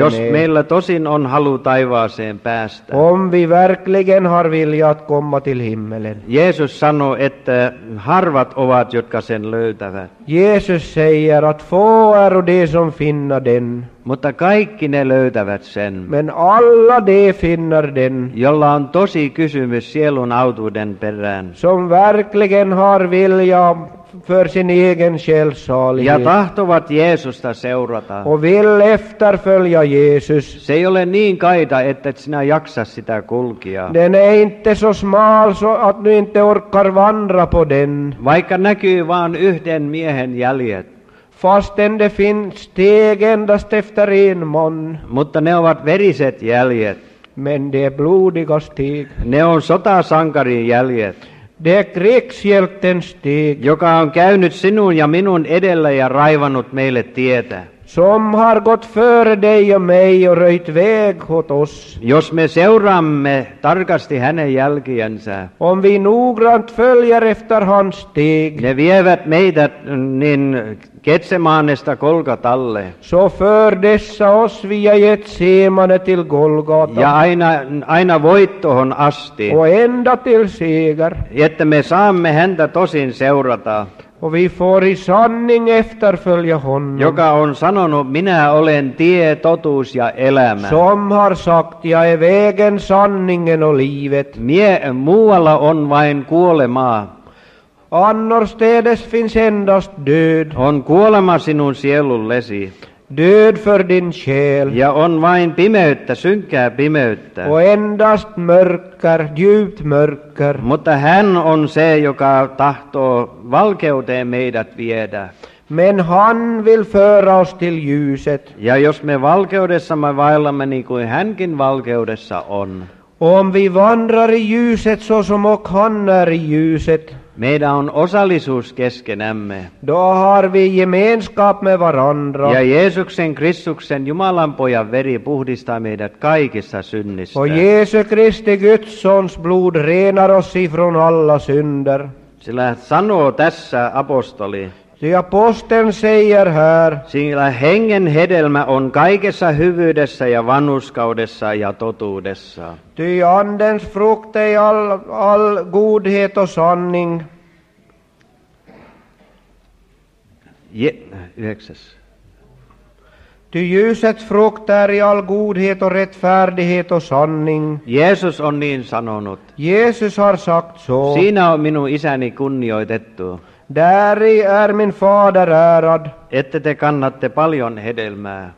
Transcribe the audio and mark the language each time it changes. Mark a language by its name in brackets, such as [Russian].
[Finnish] Jos meillä tosin on halu taivaaseen päästä. [Swedish] Om vi verkligen har vilja att komma till himmelen. [Finnish] Jeesus sanoo, että harvat ovat, jotka sen löytävät. [Swedish] Jeesus säger att få är de som finna den. [Finnish] Mutta kaikki ne löytävät sen. [Swedish] Men alla de finnar den. [Finnish] Jolla on tosi kysymys sielun autuuden perään. [Swedish] Som verkligen har vilja för sin egen själssalighet. [Finnish] Ja tahtovat Jeesusta seurata. [Swedish] Och vill efterfölja Jesus. [Finnish] Se ei ole niin kaida, että et sinä jaksa sitä kulkia. [Swedish] Den är inte så smal så att du inte orkar vandra på den. [Finnish] Vaikka näkyy vaan yhden miehen jäljet. [Swedish] Fastän det finns steg endast efter en man. [Finnish] Mutta ne ovat veriset jäljet. [Swedish] Men det är blodiga steg. [Finnish] Ne on sotasankarin jäljet. [Swedish] Det är krigshjältens steg. [Finnish] Joka on käynyt sinun ja minun edellä ja raivannut meille tietä. [Swedish] Som har gått före dig och mig och röjt väg åt oss. [Finnish] Jos me seuraamme tarkasti hänen jälkiensä. [Swedish] Om vi noggrant följer efter hans steg. [Finnish] Ne vievät meitä niin Getsemanesta Golgatalle. [Swedish] Så för dessa oss via Getsemane till Golgata. [Finnish] Ja aina voittohon asti. [Swedish] Och ända till seger. [Finnish] Että me saamme häntä tosin seurata. [Swedish] Och vi får i sanning efterfölja honom. [Finnish] Joka on sanonut, minä olen tie, totuus ja elämä. [Swedish] Som har sagt, jag är vägen, sanningen och livet. [Finnish] Muualla on vain kuolemaa. [Swedish] Annorstädes finns endast död. [Finnish] On kuolema sinun sielullesi. [Swedish] Död för din själ. [Finnish] Ja on vain pimeyttä, synkkää pimeyttä. [Swedish] Och endast mörker, djupt mörker. [Finnish] Mutta hän on se, joka tahtoo valkeuteen meidät viedä. [Swedish] Men han vill föra oss till ljuset. [Finnish] Ja jos me valkeudessamme vaellamme niin kuin hänkin valkeudessa on. [Swedish] Om vi vandrar i ljuset så som och han är i ljuset. [Finnish] Meidän on osallisuus keskenämme. [Swedish] Då har vi gemenskap med varandra. [Finnish] Ja Jeesuksen Kristuksen Jumalan pojan veri puhdistaa meidät kaikissa synnistä. [Swedish] Och Jesu Kristi Guds sons blod renar oss ifrån alla synder. [Finnish] Sillä sanoo tässä apostoli. [Swedish] De aposteln säger här. [Finnish] Sillä hengen hedelmä on kaikessa hyvyydessä ja vanhurskaudessa ja totuudessa. [Swedish] Ty andens frukt är all godhet och sanning. [Finnish] Yhdeksäs. [Swedish] Ty ljusets frukt är i all godhet och rättfärdighet och sanning. [Finnish] Jesus on niin sanonut. [Swedish] Jesus har sagt så. [Finnish] Siinä on minun isäni kunnioitettu. [Swedish] Där är min fader ärad. [Finnish] Ette te kannatte paljon hedelmää.